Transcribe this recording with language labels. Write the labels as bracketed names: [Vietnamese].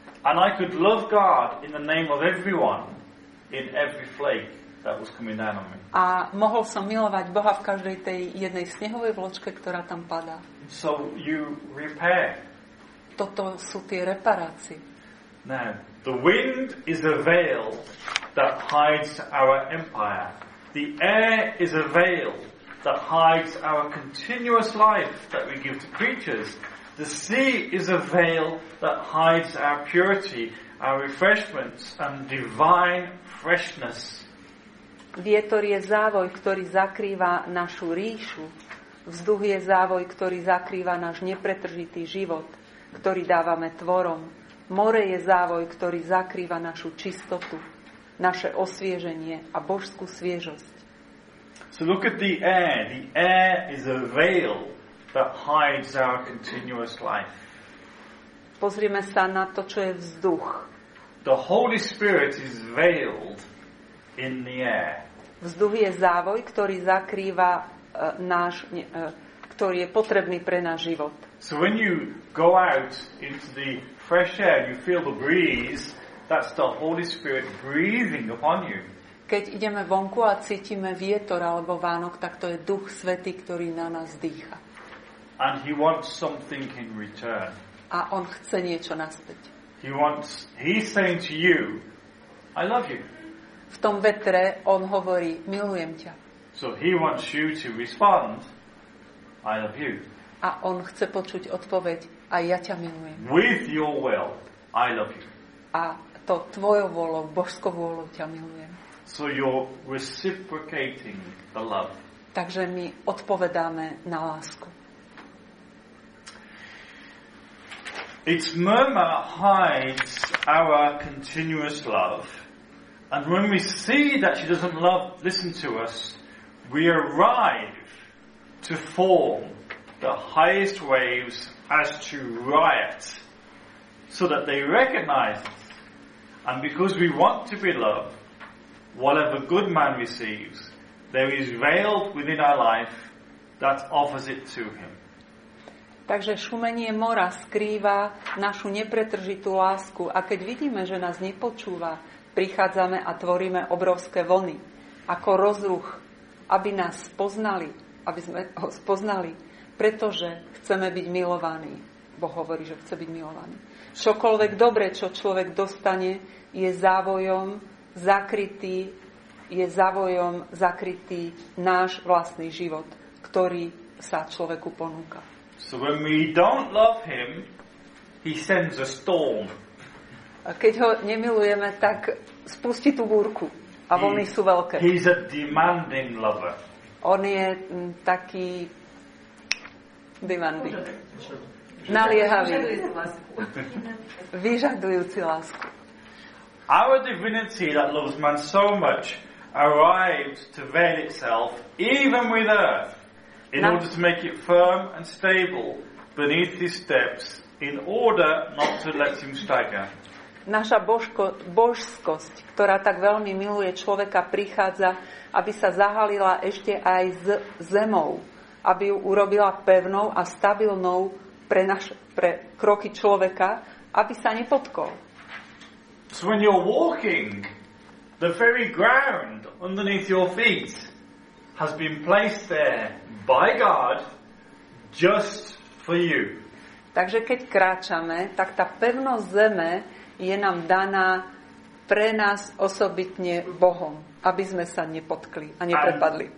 [English] And I could love God in the name of everyone in every flake that was coming down on me. [Slovak] A mohol som milovať Boha v každej tej jednej snehovej vločke, ktorá tam padá. [English] So you repair. [Slovak] Toto sú tie reparácie. [English] Now, the wind is a veil that hides our empire. The air is a veil that hides our continuous life that we give to creatures. The sea is a veil that hides our purity, our refreshments and divine freshness. [Slovak] Vietor je závoj, ktorý zakrýva našu ríšu. Vzduch je závoj, ktorý zakrýva náš nepretržitý život, ktorý dávame tvorom. More je závoj, ktorý zakrýva našu čistotu, naše osvieženie a božskú sviežosť. [English] So look at the air. The air is a veil that hides our continuous life. [Slovak] Pozrieme sa na to, čo je vzduch. [English] The Holy Spirit is veiled in the air. [Slovak] Vzduch je závoj, ktorý zakrýva náš, ktorý je potrebný pre náš život. [English] So when you go out into the fresh air, you feel the breeze, that's the Holy Spirit breathing upon you. [Slovak] Keď ideme vonku a cítime vietor alebo vánok, tak to je Duch Svätý, ktorý na nás dýcha. [English] And he wants something in return. [Slovak] A on chce niečo naspäť. [English] He's saying to you, I love you. [Slovak] V tom vetre on hovorí, milujem ťa. [English] So he wants you to respond, I love you. [Slovak] A on chce počuť odpoveď, a ja ťa milujem. [English] With your will, I love you. [Slovak] A to tvojou vôľou, božskou vôľou ťa milujem. [English] So you're reciprocating the love. [Slovak] Takže my odpovedáme na lásku. [English] Its murmur hides our continuous love. And when we see that she doesn't love, listen to us, we arrive to form the highest waves as to riot, so that they recognize us. And because we want to be loved, whatever good man receives, there is veil within our life that offers it to him. [Slovak] Takže šumenie mora skrýva našu nepretržitú lásku a keď vidíme, že nás nepočúva, prichádzame a tvoríme obrovské vlny ako rozruch, aby nás spoznali, aby sme ho spoznali, pretože chceme byť milovaní. Boh hovorí, že chce byť milovaný. Čokoľvek dobré, čo človek dostane, je závojom zakrytý, náš vlastný život, ktorý sa človeku ponúka. [English] So when we don't love him, he sends a storm. [Slovak] A keď ho nemilujeme, tak spustí tú búrku. A vlny sú veľké. [English] He's a demanding lover. [Slovak] On je taký demanding. Naliehavý. Vyžadujúci lásku. [English] Our divinity that loves man so much arrived to veil itself even with earth. In order to make it firm and stable beneath his steps, in order not to let him stagger. [Slovak] Naša božskosť, ktorá tak veľmi miluje človeka, prichádza, aby sa zahalila ešte aj z zemou, aby ju urobila pevnou a stabilnou pre kroky človeka, aby sa nepotkol. [English] So when you're walking, the very ground underneath your feet has been placed there by God just for you. [Slovak] Takže keď kráčame, tak tá pevnosť zeme je nám daná pre nás osobitne Bohom, aby sme sa nepotkli a neprepadli.